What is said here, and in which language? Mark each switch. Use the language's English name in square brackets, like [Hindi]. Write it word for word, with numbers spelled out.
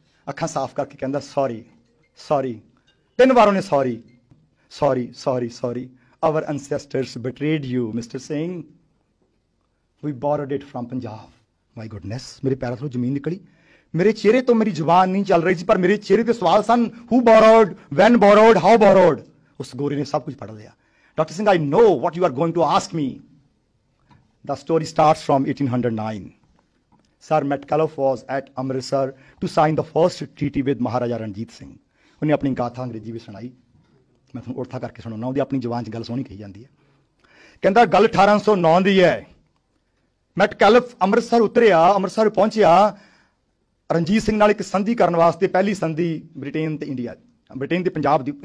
[Punjabi] ਅੱਖਾਂ ਸਾਫ਼ ਕਰਕੇ ਕਹਿੰਦਾ ਸੌਰੀ ਸੌਰੀ, ਤਿੰਨ ਵਾਰ ਉਹਨੇ sorry sorry sorry sorry, [English] our ancestors betrayed you Mister Singh, we borrowed it from Punjab. My goodness, [Punjabi] ਮੇਰੇ ਪੈਰਾਂ ਤੋਂ ਜ਼ਮੀਨ ਨਿਕਲੀ, ਮੇਰੇ ਚਿਹਰੇ ਤੋਂ ਮੇਰੀ ਜ਼ੁਬਾਨ ਨਹੀਂ ਚੱਲ ਰਹੀ ਸੀ, ਪਰ ਮੇਰੇ ਚਿਹਰੇ ਤੇ ਸਵਾਲ ਸਨ, [English] who borrowed, when borrowed, how borrowed. [Punjabi] ਉਸ ਗੋਰੀ ਨੇ ਸਭ ਕੁਝ ਪੜ੍ਹ ਲਿਆ। [English] Doctor Singh, I know what you are going to ask me. The story starts from eighteen oh nine. Sir Metcalfe was at Amritsar to sign the first treaty with Maharaja Ranjit Singh. [Punjabi] ਉਹਨੇ ਆਪਣੀ ਗਾਥਾ ਅੰਗਰੇਜ਼ੀ ਵਿੱਚ ਸੁਣਾਈ, ਮੈਂ ਤੁਹਾਨੂੰ ਉੜਥਾ ਕਰਕੇ ਸੁਣਾਉਣਾ, ਉਹਦੀ ਆਪਣੀ ਜ਼ੁਬਾਨ 'ਚ ਗੱਲ ਸੋਹਣੀ ਕਹੀ ਜਾਂਦੀ ਹੈ। ਕਹਿੰਦਾ ਗੱਲ ਅਠਾਰਾਂ ਸੌ ਨੌ ਦੀ ਹੈ, ਮੈਟਕੈਲਫ ਅੰਮ੍ਰਿਤਸਰ ਉਤਰਿਆ, ਅੰਮ੍ਰਿਤਸਰ ਪਹੁੰਚਿਆ ਰਣਜੀਤ ਸਿੰਘ ਨਾਲ ਇੱਕ ਸੰਧੀ ਕਰਨ ਵਾਸਤੇ, ਪਹਿਲੀ ਸੰਧੀ ਬ੍ਰਿਟੇਨ ਅਤੇ ਇੰਡੀਆ, ਬ੍ਰਿਟੇਨ ਅਤੇ ਪੰਜਾਬ ਦੀ।